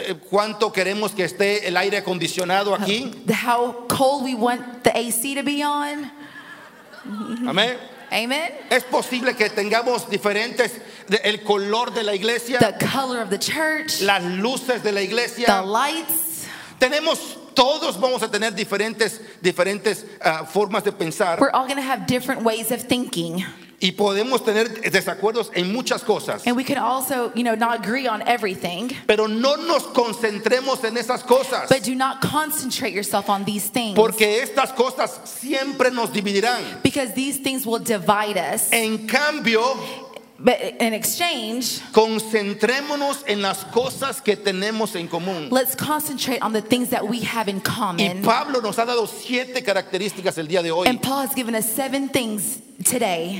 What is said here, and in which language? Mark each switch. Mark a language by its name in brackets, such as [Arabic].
[Spanish] cuánto queremos que esté el aire acondicionado aquí, [English] how cold we want the AC to be on. [Spanish] Amén. [English] Amen. [Spanish] Es posible que tengamos diferentes el color de la iglesia, [English] the color of the church, [Spanish] las luces de la iglesia, [English] the lights. [Spanish] Tenemos todos vamos a tener diferentes formas de pensar. [English] We're all going to have different ways of thinking. [Spanish] Y podemos tener desacuerdos en muchas cosas. [English] And we can also, you know, not agree on everything. [Spanish] Pero no nos concentremos en esas cosas. [English] But do not concentrate yourself on these things. [Spanish] Porque estas cosas siempre nos dividirán. [English] Because these things will divide us. [Spanish] En cambio, [English] but in exchange, [Spanish] concentrémonos en las cosas que tenemos en común. [English] Let's concentrate on the things that we have in common. [Spanish] Y Pablo nos ha dado siete características el día de hoy. [English] And Paul has given us seven things today.